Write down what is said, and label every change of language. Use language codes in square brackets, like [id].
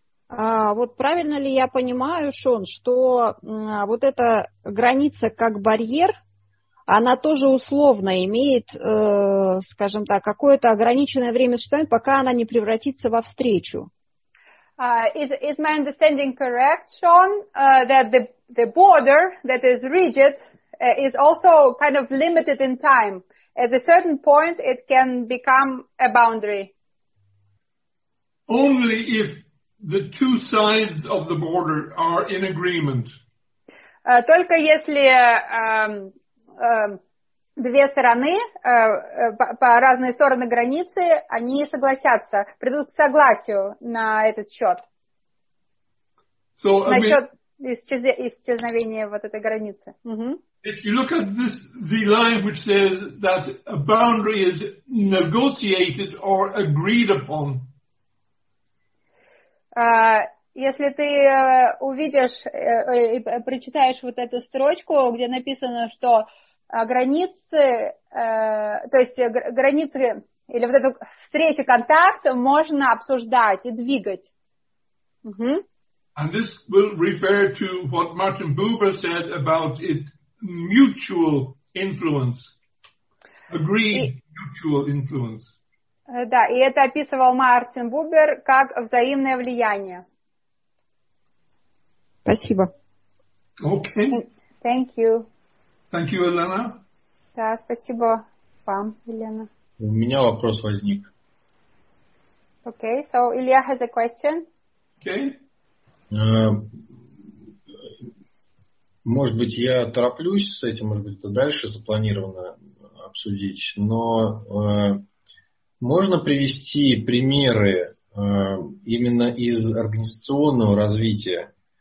[ru] Вот правильно ли я понимаю, Шон, что вот эта граница как барьер, она тоже условно имеет, скажем так, какое-то ограниченное время существования, пока она не превратится во встречу? [en] Is my understanding correct, Sean, that the border that is rigid is also kind of limited in time? At a certain point, it can become a boundary. Only if the two sides of the border are in agreement. [ru] Только если две стороны по разные стороны границы, они согласятся, придут к согласию на этот счет. [en] So, [ru] насчет исчезновения вот этой границы. [en] If you look at this, the line which says that a boundary is negotiated or agreed upon. [ru] Если ты увидишь и прочитаешь вот эту строчку, где написано, что границы, то есть границы или вот эту встречу, контакт можно обсуждать и двигать. [en] And this will refer to what Martin Buber said about it, mutual influence, agreed mutual influence. [ru] Да, и это описывал Мартин Бубер как взаимное влияние. Спасибо. [en] Okay. Thank you. Thank you, Elena. [ru] Да, спасибо вам, Елена. У меня вопрос возник. [en] Okay, so Илья has a question. Okay. [ru] Может быть, я тороплюсь с этим, может быть, это дальше запланировано обсудить, но можно привести примеры именно из организационного развития?